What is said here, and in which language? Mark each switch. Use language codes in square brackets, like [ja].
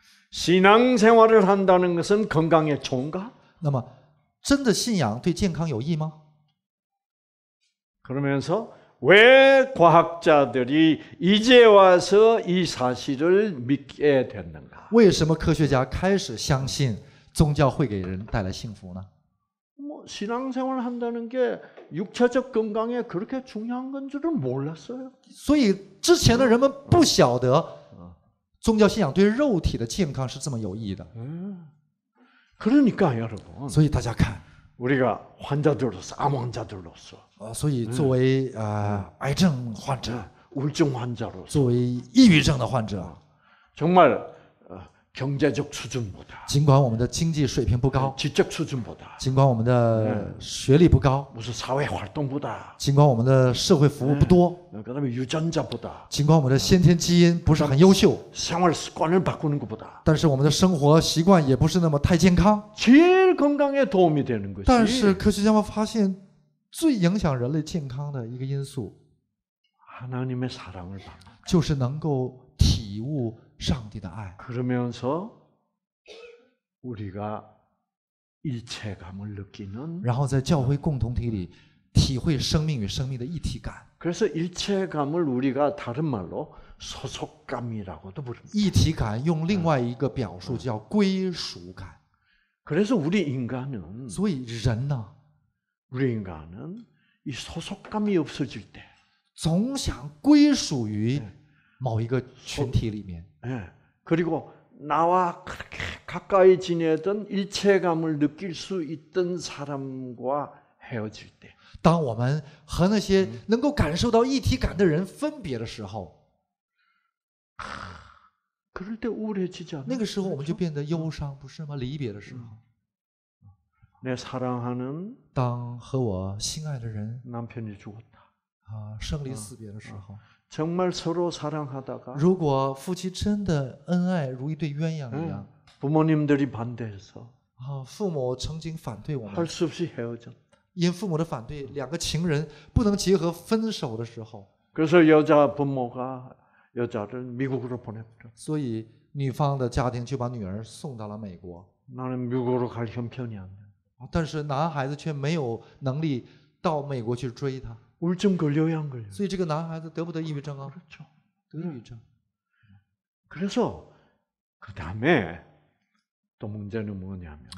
[ko] 신앙생활을 한다는 것은 건강에 좋은가? [zh] 那么真的信仰对健康有益吗？ [ko] 그러면서 왜 과학자들이 이제 와서 이 사실을 믿게 됐는가? [zh] 为什么科学家开始相信종교회给人带来幸福呢 [ko] 뭐신앙생활한다는게육체적건강에그렇게중요한건줄은몰랐어요 [zh] 所以之前的人们不晓得宗教信仰对肉体的健康是这么有益的 [ko] 그러니까여러분 [zh] 所以大家看 [ko] 우리가환자들로서암환자들로서 [zh] 所以作为癌症患者 [ko] 울증환자로서 [zh] 作为抑郁症的患者 [ko] 정말경제적수준보다 [zh] 尽管我们的经济水平不高 [ko] 지적수준보다 [zh] 尽管我们的学历不高 [ko] 무슨사회활동보다 [zh] 尽管我们的社会服务不多 [ko] 그다음에유전자보다 [zh] 尽管我们的先天基因不是很优秀 [ko] 생활습관을바꾸는것보다 [zh] 但是我们的生活习惯也不是那么太健康 [ko] 제일건강에도움이되는것이 [zh] 但是科学家们发现最影响人类健康的一个因素 [ko] 하나님의사랑을받는 [zh] 就是能够体悟上帝的爱 [ko] 그러면서우리가일체감을느끼는 [zh] 然后在教会共同体里体会生命与生命的一体感 [ko] 그래서일체감을우리가다른말로소속감이라고도부릅니다 [zh] 一体感用另外一个表述叫归属感 [ko] 그래서우리인간은 [zh] 所以人呢 [ko] 우리인간은이소속감이없어질때 [zh] 总想归属于某一个群体里面 [ko] 예그리고나와그렇게가까이지내던일체감을느낄수있던사람과헤어질때 [zh] 当我们和那些能够感受到一体感的人分别的时候 [ko] 그럴때우울해지지않 [zh] 나那个时候我们就变得忧伤不是吗离别的时候 [ko] 내사랑하는 [zh] 当和我心爱的人 [ko] 남편이죽었다 [zh] 아生离死别的时候 [ko] 정말서로사랑하다가 [zh] 如果夫妻真的恩爱如一对鸳鸯一样 [ko] 부모님들이반대해서 [zh] 父母曾经反对我们 [ko] 할수없이헤어졌 [zh] 因父母的反对两个情人不能结合分手的时候 [ko] 그래서여자부모가여자를미국으로보냅니다 [zh] 所以女方的家庭就把女儿送到了美国 [ko] 나는미국으로갈형편이안돼 [zh] 但是男孩子却没有能力到美国去追她 [ko] 울증걸려야한걸려 [zh] 所以这个男孩子得不得抑郁症啊 [ko] 그렇죠 [zh] 得抑郁症 [ko] 그래서그다음에또문제는뭐냐면